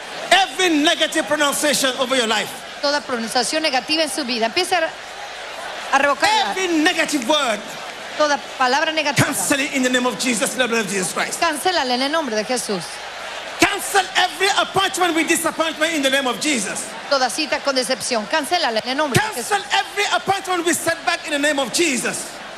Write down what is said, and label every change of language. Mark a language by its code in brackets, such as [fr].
[en] Every negative pronunciation over your life. [es] Toda pronunciación negativa en su vida. Empieza a revocarla. [en] Every negative word. [es] Toda palabra negativa. [en] Cancel it in the name of Jesus, in the blood of Jesus Christ. [es] Cancélala en el nombre de Jesús. [en] Cancel every appointment with disappointment in the name of Jesus. [es] Toda cita con decepción, cancélala en el nombre de Jesús. [en] Cancel every appointment with setback in the name of Jesus.